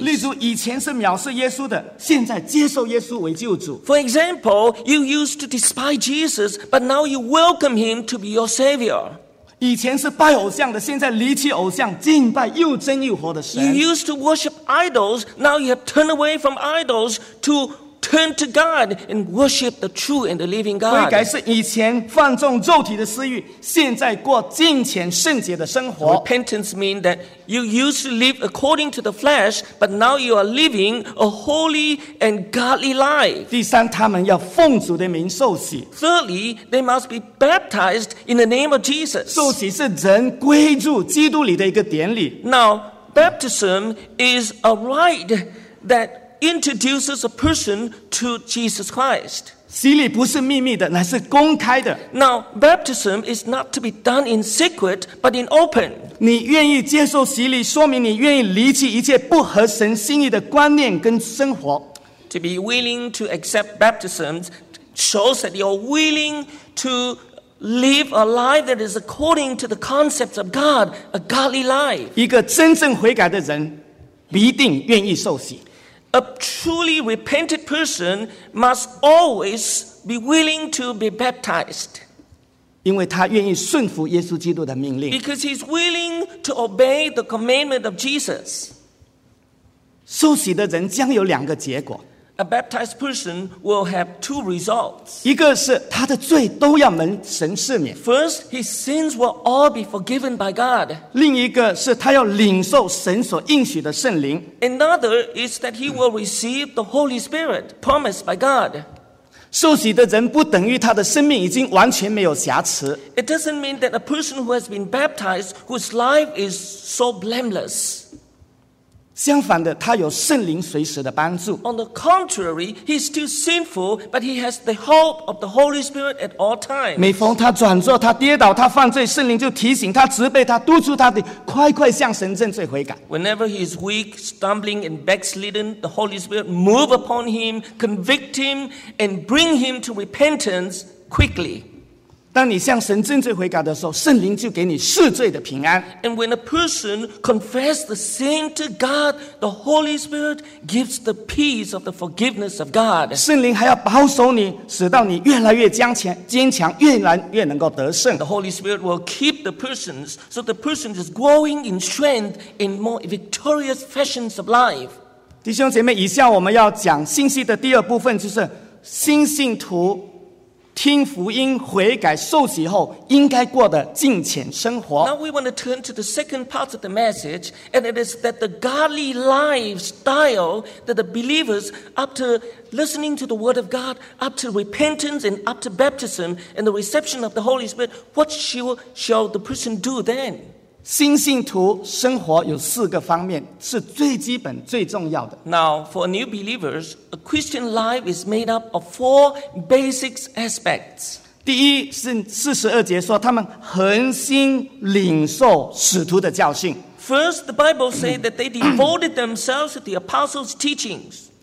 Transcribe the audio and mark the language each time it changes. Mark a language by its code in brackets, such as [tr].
[zh] 例如以前是藐视耶稣的，现在接受耶稣为救主。 [en] For example, you used to despise Jesus, but now you welcome him to be your savior. [zh] 以前是拜偶像的，现在离弃偶像，敬拜又真又活的神。 [en] You used to worship idols, now you have turned away from idols to turn to God and worship the true and the living God. [zh] 悔改是以前放纵肉体的私欲，现在过敬虔圣洁的生活。 [en] Repentance means that you used to live according to the flesh, but now you are living a holy and godly life. [zh] 第三，他们要奉主的名受洗。 [en] Thirdly, they must be baptized in the name of Jesus. [zh] 受洗是人归入基督里的一个典礼。 [en] Now, baptism is a rite that introduces a person to Jesus Christ. [zh] 洗礼不是秘密的，乃是公开的。 [en] Now, baptism is not to be done in secret, but in open. [zh] 你愿意接受洗礼，说明你愿意离弃一切不合神心意的观念跟生活。 [en] To be willing to accept baptism shows that you're willing to live a life that is according to the concepts of God, a godly life. [zh] 一个真正悔改的人必定愿意受洗。 [en] A truly repentant person must always be willing to be baptized. [zh] 因为他愿意顺服耶稣基督的命令。 [en] Because he's willing to obey the commandment of Jesus. [zh] 受洗的人将有两个结果。 [en] A baptized person will have two results. [zh] 一个是他的罪都要蒙神赦免。 [en] First, his sins will all be forgiven by God. [zh] 另一个是他要领受神所应许的圣灵。 [en] Another is that he will receive the Holy Spirit promised by God. [zh] 受洗的人不等于他的生命已经完全没有瑕疵。 [en] It doesn't mean that a person who has been baptized, whose life is so blameless. [zh] 相反的，他有圣灵随时的帮助。 [en] On the contrary, he is still sinful, but he has the help of the Holy Spirit at all times. [zh] 每逢他转作、他跌倒、他犯罪，圣灵就提醒他、责备他、督促他的，快快向神认罪悔改。 [en] Whenever he is weak, stumbling, and backslidden, the Holy Spirit move upon him, convict him, and bring him to repentance quickly. [zh] 当你向神认罪悔改的时候，圣灵就给你赦罪的平安。 [en] And when a person confesses the sin to God, the Holy Spirit gives the peace of the forgiveness of God. [zh] 圣灵还要保守你，使到你越来越坚强，越来越能够得胜。 [en] The Holy Spirit will keep the person, so the person is growing in strength in more victorious fashions of life. [zh] 弟兄姐妹，以下我们要讲信息的第二部分，就是新信徒。听福音悔改受洗后应该过的敬虔生活。 [en] Now we want to turn to the second part of the message, and it is that the godly lifestyle that the believers, after listening to the word of God, after repentance and after baptism and the reception of the Holy Spirit, what shall the person do then? [zh] 新信徒生活有四个方面是最基本最重要的。 [en] Now for new believers,A Christian life is made up of four basic aspects. [zh] 第一是42节说他们恒心领受使徒的教训。 [en] First, the Bible says that they devoted themselves to the apostles' teachings.